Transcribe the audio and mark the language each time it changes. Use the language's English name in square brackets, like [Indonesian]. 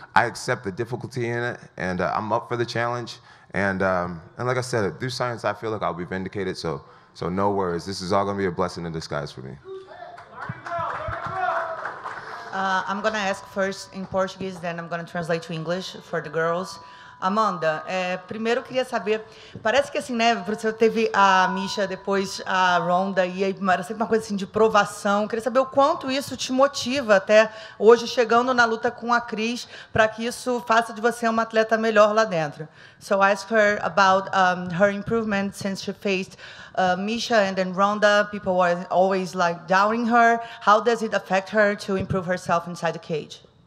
[English] I accept the difficulty in it, and I'm up for the challenge. And like I said, through science, I feel like I'll be vindicated. So no worries. This is all going to be a blessing in disguise for me. I'm going to ask first in Portuguese, then I'm going to translate to English for the girls. [Portuguese] Amanda, primeiro queria saber, parece que assim, né, você teve a Misha, depois a Ronda, e aí era sempre uma coisa assim de provação. Queria saber o quanto isso te motiva até hoje, chegando na luta com a Cris, para que isso faça de você uma atleta melhor lá dentro. [English] So I asked her about her improvement since she faced Misha and then Ronda. People were always like doubting her. How does it affect her to improve herself inside the cage?